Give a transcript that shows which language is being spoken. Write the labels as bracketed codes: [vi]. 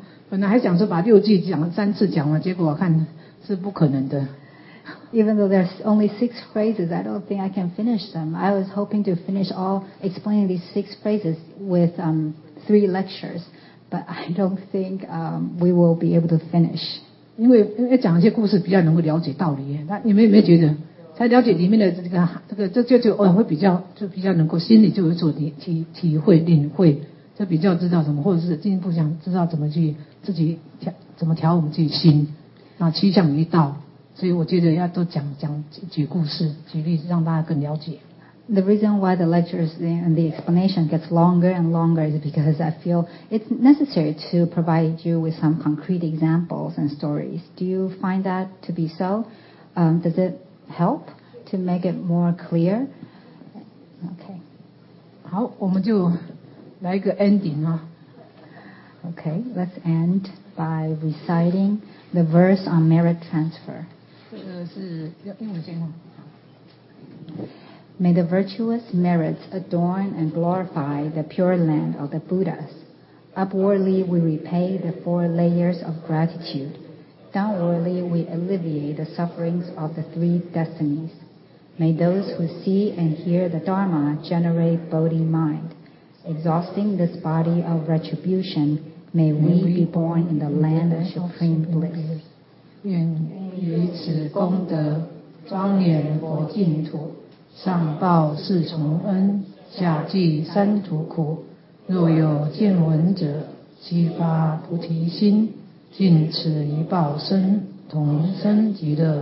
[zh] 本来还想说把六句讲三次讲完，结果我看是不可能的。 [en] Even though there's only six phrases, I don't think I can finish them. I was hoping to finish all explaining these six phrases with three lectures, but I don't think we will be able to finish. [zh] 因为要讲一些故事比较能够了解道理，那你们有没有觉得才了解里面的这个会比较就比较能够心里就有所体会领会，就比较知道什么，或者是进一步想知道怎么去自己怎么调我们自己心，那趋向于道。所以我觉得要多讲举故事举例子，让大家更了解。 [en] The reason why the lectures and the explanation gets longer and longer is because I feel it's necessary to provide you with some concrete examples and stories. Do you find that to be so? Does it help to make it more clear? Okay. [zh] 好，我们就来一个 ending 啊。 [en] Okay, let's end by reciting the verse on merit transfer. [zh] 这个是英文先生。 [en] May the virtuous merits adorn and glorify the pure land of the Buddhas. Upwardly we repay the four layers of gratitude. Downwardly we alleviate the sufferings of the three destinies. May those who see and hear the Dharma generate Bodhi mind. Exhausting this body of retribution, may we be born in the land of supreme bliss. [zh] 愿以此功德庄严佛净土，上报四重恩，下济三途苦。若有见闻者，悉发菩提心，尽此一报身，同生极乐。